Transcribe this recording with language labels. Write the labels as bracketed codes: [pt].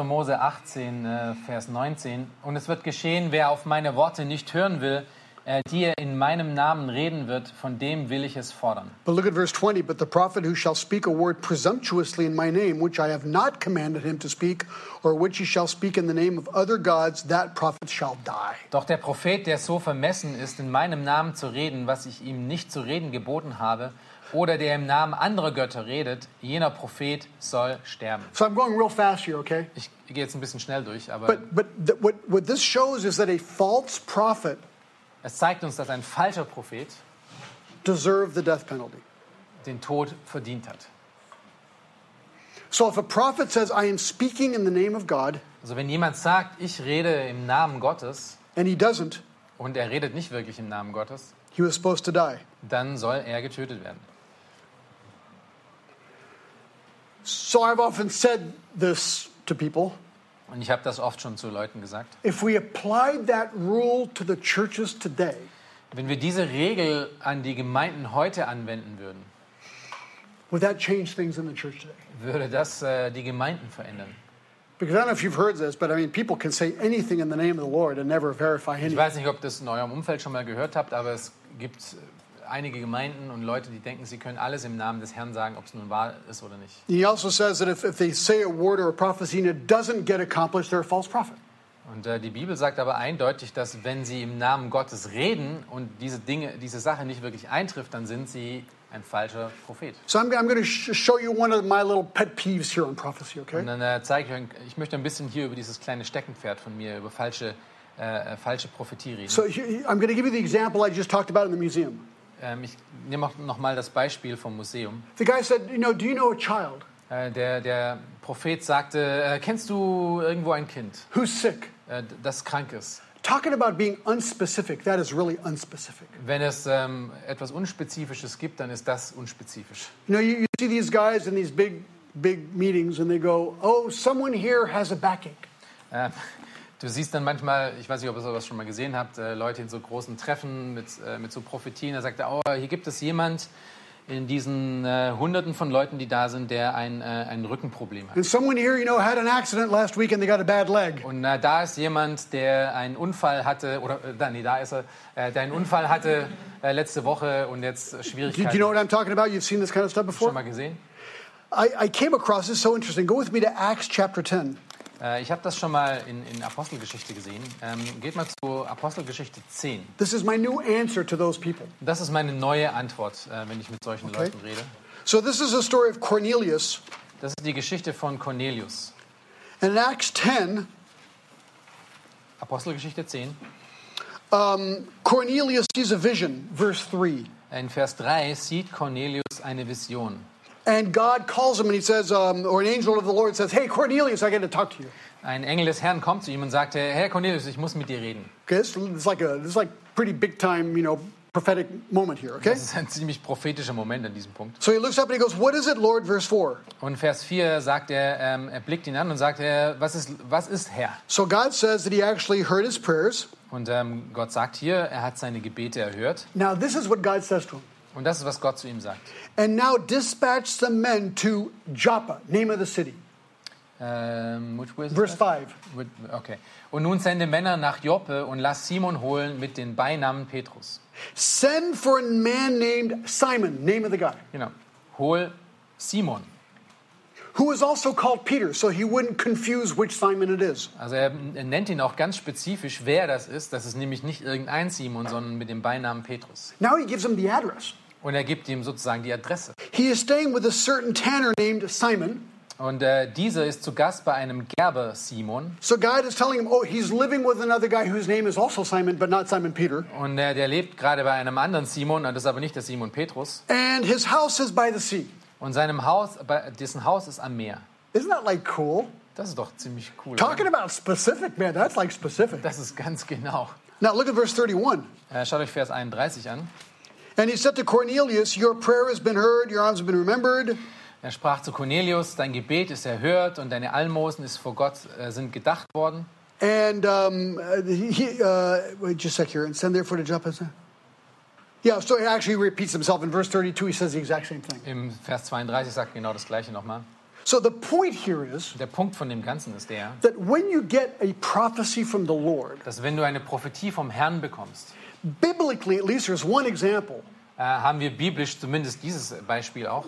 [de] Mose 18 Vers 19, und es wird geschehen, wer auf meine Worte nicht hören will, die er in meinem Namen reden wird, von dem will ich es fordern. [en] But look at verse 20. But the prophet who shall speak a word presumptuously in my name, which I have not commanded him to speak, or which he shall speak in the name of other gods, that prophet shall die. [de] Doch der Prophet, der so vermessen ist, in meinem Namen zu reden, was ich ihm nicht zu reden geboten habe, oder der im Namen anderer Götter redet, jener Prophet soll sterben. [en] So I'm going real fast here, okay? [de] Ich gehe jetzt ein bisschen schnell durch, aber. [en] But what this shows is that a false prophet. [de] Es zeigt uns, dass ein falscher Prophet [en] deserve the death penalty. [de] Den Tod verdient hat. [en] So if a prophet says, I am speaking in the name of God, [de] also wenn jemand sagt, ich rede im Namen Gottes, [en] And he doesn't. [de] Und er redet nicht wirklich im Namen Gottes. [en] He was supposed to die. [de] Dann soll er getötet werden. [en] So I've often said this to people. [de] Und ich habe das oft schon zu Leuten gesagt. [en] If we applied that rule to the churches today. [de] Wenn wir diese Regel an die Gemeinden heute anwenden würden. [en] Would that change things in the church today? [de] Würde das die Gemeinden verändern? [en] Because I don't know if you've heard this, but I mean, people can say anything in the name of the Lord and never verify anything. [de] Ich weiß nicht, ob das in eurem Umfeld schon mal gehört habt, aber es gibt einige Gemeinden und Leute, die denken, sie können alles im Namen des Herrn sagen, ob es nun wahr ist oder nicht. [en] He also says that if they say a word or a prophecy and it doesn't get accomplished, they're a false prophet. [de] Und die Bibel sagt aber eindeutig, dass wenn sie im Namen Gottes reden und diese Dinge, diese Sache nicht wirklich eintrifft, dann sind sie ein falscher Prophet. [en] So I'm going to show you one of my little pet peeves here on prophecy, okay? [de] Und dann zeige ich euch, ich möchte ein bisschen hier über dieses kleine Steckenpferd von mir, über falsche Prophetie reden. [en] So I'm going to give you the example I just talked about in the museum. [de] Ich nehme auch noch mal das Beispiel vom Museum. [en] The guy said, you know, do you know a child? [de] Der Prophet sagte, kennst du irgendwo ein Kind? [en] Who's sick? [de] Das krank ist. [en] Talking about being unspecific, that is really unspecific. [de] Wenn es etwas Unspezifisches gibt, dann ist das unspezifisch. [en] You know, you see these guys in these big meetings and they go, oh, someone here has a backache. [de] Du siehst dann manchmal, ich weiß nicht, ob ihr sowas schon mal gesehen habt, Leute in so großen Treffen mit so Prophetien, da sagt er, oh, hier gibt es jemand in diesen Hunderten von Leuten, die da sind, der ein Rückenproblem hat. [en] And someone here, you know, had an accident last week and they got a bad leg. [de] Und da ist jemand, der einen Unfall hatte, oder, nee, da ist er, der einen Unfall hatte letzte Woche und jetzt Schwierigkeiten. [en] Do you know what I'm talking about? You've seen this kind of stuff before? [de] Schon mal gesehen? [en] I came across, this is so interesting, go with me to Acts chapter 10. [de] Ich habe das schon mal in Apostelgeschichte gesehen. Geht mal zu Apostelgeschichte 10. [en] This is my new answer to those people. [de] Das ist meine neue Antwort, wenn ich mit solchen okay. Leuten rede. [en] So this is the story of Cornelius. [de] Das ist die Geschichte von Cornelius. [en] And in Acts 10, [de] Apostelgeschichte 10, [en] Cornelius sees a vision, verse 3. [de] In Vers 3 sieht Cornelius eine Vision. [en] And God calls him and he says, or an angel of the Lord says, hey, Cornelius, I got to talk to you. [de] Ein Engel des Herrn kommt zu ihm und sagt, hey, Cornelius, ich muss mit dir reden. [en] Okay, this is like pretty big time, you know, prophetic moment here, okay? [de] Das ist ein ziemlich prophetischer Moment an diesem Punkt. [en] So he looks up and he goes, what is it, Lord, verse 4? [de] Und Vers 4 sagt er, er blickt ihn an und sagt, was ist Herr? [en] So God says that he actually heard his prayers. [de] Und Gott sagt hier, er hat seine Gebete erhört. [en] Now this is what God says to him. [de] Und das ist, was Gott zu ihm sagt. [en] And now dispatch the men to Joppa, name of the city. Which was verse 5. Okay. [de] Und nun sende Männer nach Joppe und lass Simon holen mit den Beinamen Petrus. [en] Send for a man named Simon, name of the guy. [de] Genau. Hol Simon. [en] Who is also called Peter, so he wouldn't confuse which Simon it is. [de] Also er nennt ihn auch ganz spezifisch, wer das ist. Das ist nämlich nicht irgendein Simon, sondern mit dem Beinamen Petrus. [en] Now he gives him the address. [de] Und er gibt ihm sozusagen die Adresse. [en] He is staying with a certain tanner named Simon. [de] Und dieser ist zu Gast bei einem Gerber Simon. [en] So God is telling him, oh, he's living with another guy whose name is also Simon, but not Simon Peter. [de] Und der lebt gerade bei einem anderen Simon, und das ist aber nicht der Simon Petrus. [en] And his house is by the sea. [de] Und seinem Haus, dessen Haus ist am Meer. [en] Isn't that like cool? [de] Das ist doch ziemlich cool. [en] Talking [de] oder? [en] About specific, man, that's like specific. [de] Das ist ganz genau. [en] Now look at verse 31. [de] Schaut euch Vers 31 an. [en] And he said to Cornelius, your prayer has been heard, your alms have been remembered. [de] Er sprach zu Cornelius, dein Gebet ist erhört und deine Almosen ist vor Gott sind gedacht worden. [en] And wait just a sec here and send therefore to Joppa. Yeah, so he actually repeats himself in verse 32. He says the exact same thing. [de] Im Vers 32 sagt genau das Gleiche nochmal. [en] So the point here is. [de] Der Punkt von dem Ganzen ist der. [en] That when you get a prophecy from the Lord. [de] Dass wenn du eine Prophetie vom Herrn bekommst. [en] Biblically, at least there's one example. [de] Haben wir biblisch zumindest dieses Beispiel auch.